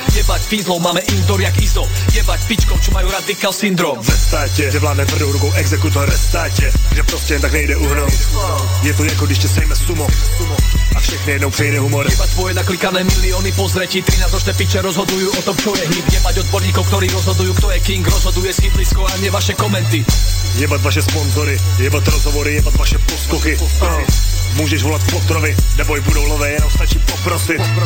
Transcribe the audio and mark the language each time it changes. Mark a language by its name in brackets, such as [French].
[Slovak] Jebať fízlov, máme indoor jak ISO. Jebať pičkov, čo majú radikál syndrom. [Czech] Ve státě, kde vládne tvrdou rukou exekutor. Ve státě, kde prostě jen tak nejde uhnout. Je to jako když tě sejme sumo a všechny jednou přejde humor. [Slovak] Jebať tvoje naklikané miliony pozretí. 13 ročné piče rozhodujú o tom, čo je hit. Jebať odborníkov, ktorí rozhodujú, kto je king. Rozhoduje skytlisko a nie vaše komenty. Jebať vaše sponzory, jebať rozhovory, jebať vaše poskoky. [Czech] Můžeš volat Potrovi, neboj budou lové, jenom stačí poprosit.